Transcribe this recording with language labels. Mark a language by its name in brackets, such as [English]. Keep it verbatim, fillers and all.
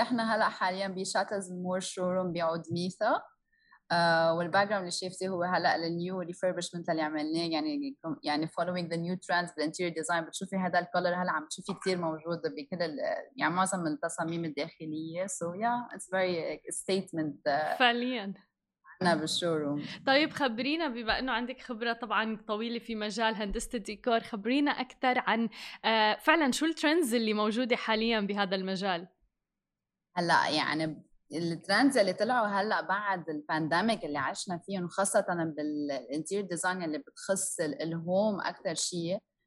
[Arabic] إحنا هلا حالياً بشاترز أند مور شوروم بعود ميثا، آه والباك جراوند اللي شايفتيه هو هلا النيو ريفربشمنت اللي عملناه، يعني يعني [English] following the new trends [Arabic] بالانتيريور ديزاين. بتشوفي هذا الكولر هلا عم تشوفي كثير موجود بكل يعني معظم التصاميم الداخلية. [English] so yeah it's very statement [Arabic] فعلياً أنا بالشوروم. طيب خبرينا، بما أنه عندك خبرة طبعاً طويلة في مجال هندسة الديكور، خبرينا أكثر عن فعلاً شو الترندز اللي موجودة حالياً بهذا المجال؟ هلأ يعني الترندز اللي طلعوا هلأ بعد البانديميك اللي عشنا فيه، وخاصة بالانتيريور ديزاين اللي بتخص الهوم أكثر شيء،